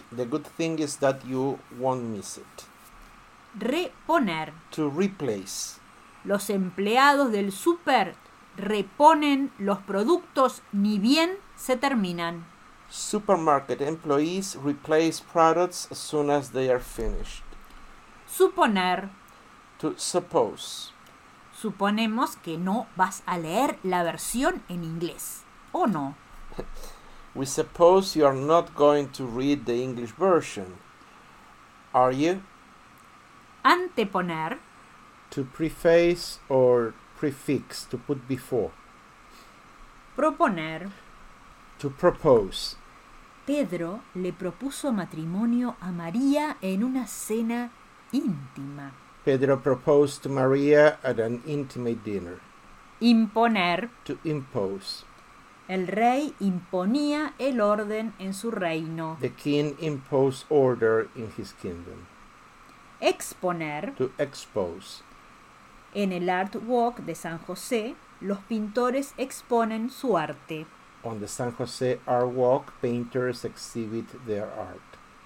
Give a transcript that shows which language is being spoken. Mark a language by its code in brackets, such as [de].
[en] The good thing is that you won't miss it. [es] Reponer. [en] To replace. [es] Los empleados del súper reponen los productos ni bien se terminan. [en] Supermarket employees replace products as soon as they are finished. [es] Suponer. [en] To suppose. [es] Suponemos que no vas a leer la versión en inglés, ¿o no? [en] We suppose you are not going to read the English version. Are you? [es] Anteponer. [en] To preface or prefix, to put before. [es] Proponer. [en] To propose. [es] Pedro le propuso matrimonio a María en una cena íntima. [en] Pedro proposed to Maria at an intimate dinner. [es] Imponer. [en] To impose. [es] El rey imponía el orden en su reino. [en] The king imposed order in his kingdom. [es] Exponer. [en] To expose. [es] En el Art Walk de San José, los pintores exponen su arte. [en] On the San José Art Walk, painters exhibit their art.